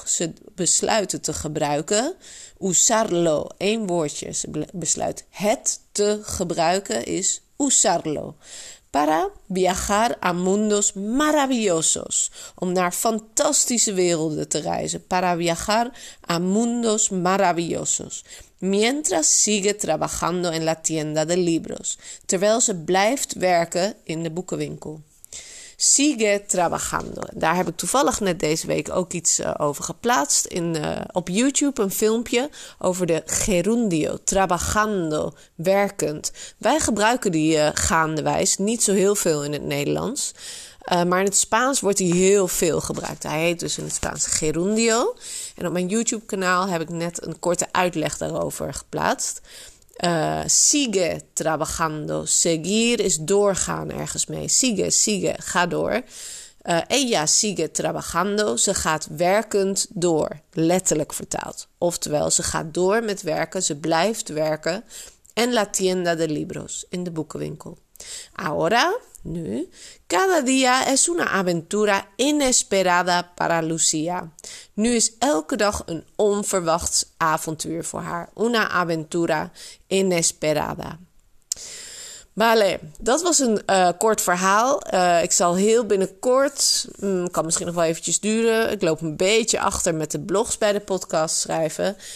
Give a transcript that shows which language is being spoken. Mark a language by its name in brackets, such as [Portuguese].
[Dutch] Ze besluiten te gebruiken. Usarlo, één woordje, ze besluit het te gebruiken, is usarlo. [Spanish] Para viajar a mundos maravillosos. [Dutch] Om naar fantastische werelden te reizen. [Spanish] Para viajar a mundos maravillosos. Mientras sigue trabajando en la tienda de libros. [Dutch] Terwijl ze blijft werken in de boekenwinkel. [Spanish] Sigue trabajando. [Dutch] Daar heb ik toevallig net deze week ook iets over geplaatst. Op YouTube een filmpje over de gerundio. Trabajando, werkend. Wij gebruiken die gaandewijs niet zo heel veel in het Nederlands. Maar in het Spaans wordt die heel veel gebruikt. Hij heet dus in het Spaans gerundio. En op mijn YouTube kanaal heb ik net een korte uitleg daarover geplaatst. [Spanish] Sigue trabajando. [Dutch] Seguir is doorgaan ergens mee. [Spanish] Sigue, sigue, [Dutch] ga door. [Spanish] Ella sigue trabajando. [Dutch] Ze gaat werkend door. Letterlijk vertaald. Oftewel, ze gaat door met werken. Ze blijft werken. [Spanish] En la tienda de libros. [Dutch] In de boekenwinkel. [Spanish] Ahora, nu. Cada día es una aventura inesperada para Lucía. [Dutch] Nu is elke dag een onverwachts avontuur voor haar. [Spanish] Una aventura inesperada. [Dutch] Vale, dat was een kort verhaal. Ik zal heel binnenkort, kan misschien nog wel eventjes duren. Ik loop een beetje achter met de blogs bij de podcast schrijven.